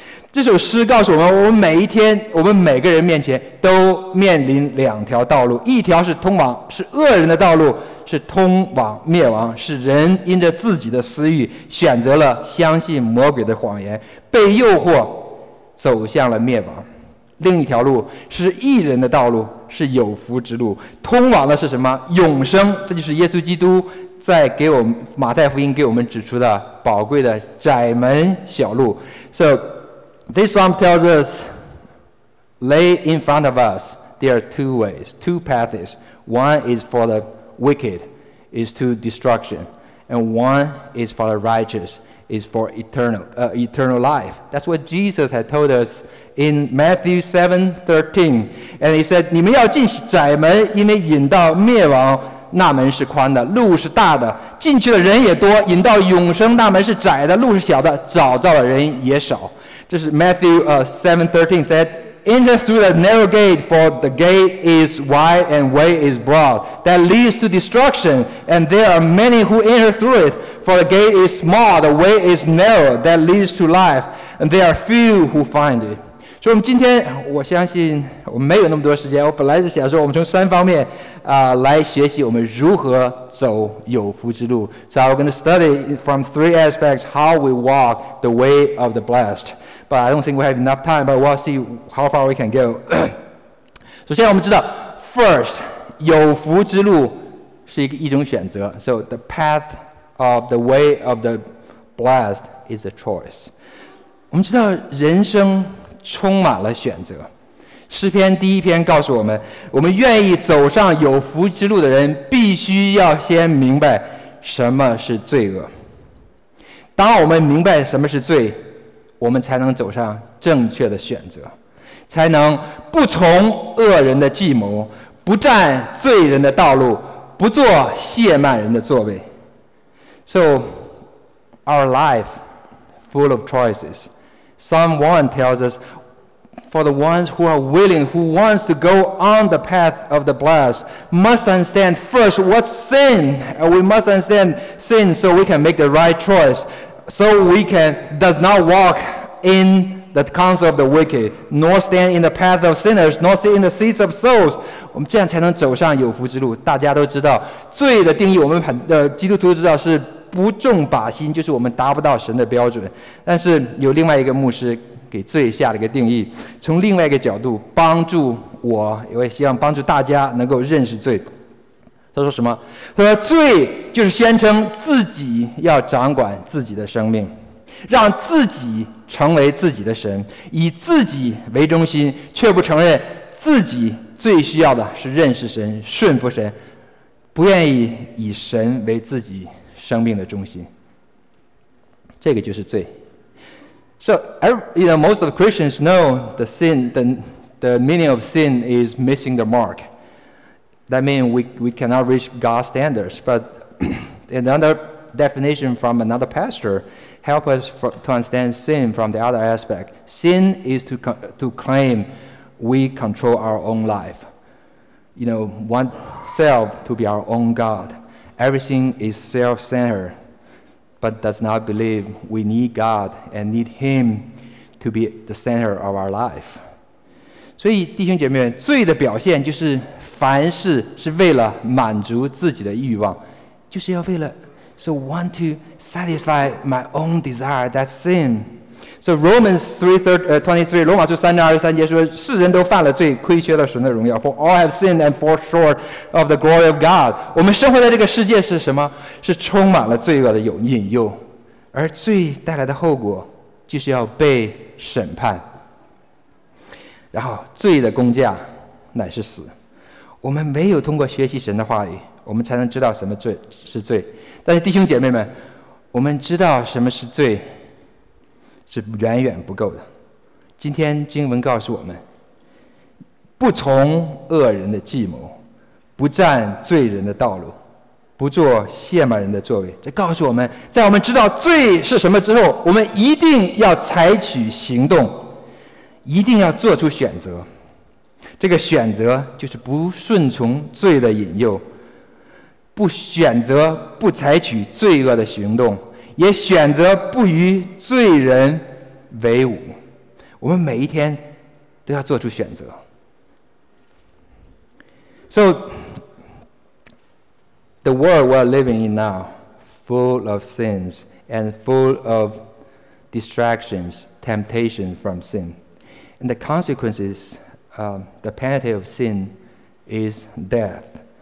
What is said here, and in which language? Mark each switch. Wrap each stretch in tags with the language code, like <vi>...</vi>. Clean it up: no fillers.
<zh>这首诗告诉我们，我们每一天，我们每个人面前都面临两条道路，一条是通往，是恶人的道路，是通往灭亡，是人因着自己的私欲选择了相信魔鬼的谎言，被诱惑走向了灭亡。另一条路是义人的道路，是有福之路，通往的是什么？永生。这就是耶稣基督在给我们马太福音给我们指出的宝贵的窄门小路。</zh> <en>So this psalm tells us lay in front of us there are two ways, two paths. One is for the wicked, is to destruction, and one is for the righteous, is for eternal life. That's what Jesus had told usIn Matthew 7:13, and he said,</en> <zh>你们要进窄门，因为引到灭亡，那门是宽的，路是大的，进去的人也多，引到永生，那门是窄的，路是小的，找到的人也少。这是</zh> <en>Matthew 7:13 said, Enter through the narrow gate, for the gate is wide and way is broad, that leads to destruction, and there are many who enter through it, for the gate is small, the way is narrow, that leads to life, and there are few who find it.</en> <zh>所以我们今天，我相信我们没有那么多时间，我本来是想说我们从三方面来学习我们如何走有福之路。</zh> <en>So we're going to study from three aspects how we walk the way of the blessed. But I don't think we have enough time, but we'll see how far we can go.</en> <zh>首先我们知道</zh> <en>first,</en> <zh>有福之路是一种选择。</zh> <en>So the path of the way of the blessed is a choice.</en> <zh>我们知道人生充满了选择。诗篇第一篇告诉我们，我们愿意走上有福之路的人必须要先明白什么是罪恶。当我们明白什么是罪，我们才能走上正确的选择，才能不从恶人的计谋，不占罪人的道路，不做亵慢人的座位。</zh> <en>So our life full of choicesPsalm 1 tells us, for the ones who are willing, who wants to go on the path of the blessed, must understand first what's sin. And we must understand sin so we can make the right choice, so we can does not walk in the counsel of the wicked, nor stand in the path of sinners, nor sit in the seats of souls.</en> <zh>我们这样才能走上有福之路。大家都知道，罪的定义，我们很基督徒知道是不重靶心，就是我们达不到神的标准。但是有另外一个牧师给罪下了一个定义，从另外一个角度帮助我，我也希望帮助大家能够认识罪。他说什么？他说罪就是宣称自己要掌管自己的生命。让自己成为自己的神，以自己为中心，却不承认自己最需要的是认识神、顺服神，不愿意以神为自己生命的中心。这个就是罪。</zh> <en>So, you know, most of the Christians know the sin, the meaning of sin is missing the mark. That means we cannot reach God's standards. But another definition from another pastor helps us to understand sin from the other aspect. Sin is to claim we control our own life. You know, want self to be our own God. Everything is self-centered. But does not believe we need God and need Him to be the center of our life.</en> <zh>所以弟兄姐妹，罪的表现就是凡事是为了满足自己的欲望，就是要为了</zh> <en>so want to satisfy my own desire. That's sin. So Romans 3:23,</en> <zh>罗马书3:23说，世人都犯了罪，亏缺了神的荣耀。</zh> <en>For all have sinned and fall short of the glory of God.</en> <zh>我们生活在这个世界是什么？是充满了罪恶的引诱，而罪带来的后果就是要被审判。然后罪的工价乃是死。我们没有通过学习神的话语，我们才能知道什么罪是罪。但是弟兄姐妹们，我们知道什么是罪是远远不够的。今天经文告诉我们，不从恶人的计谋，不占罪人的道路，不做亵慢人的座位。这告诉我们，在我们知道罪是什么之后，我们一定要采取行动，一定要做出选择。这个选择就是不顺从罪的引诱，不选择不采取罪恶的行动，也选择不与罪人为伍。我们每一天都要做出选择。</zh> <en>So the world we're living in now, full of sins and full of distractions, temptation from sin, and the consequences, the penalty of sin is death.</en>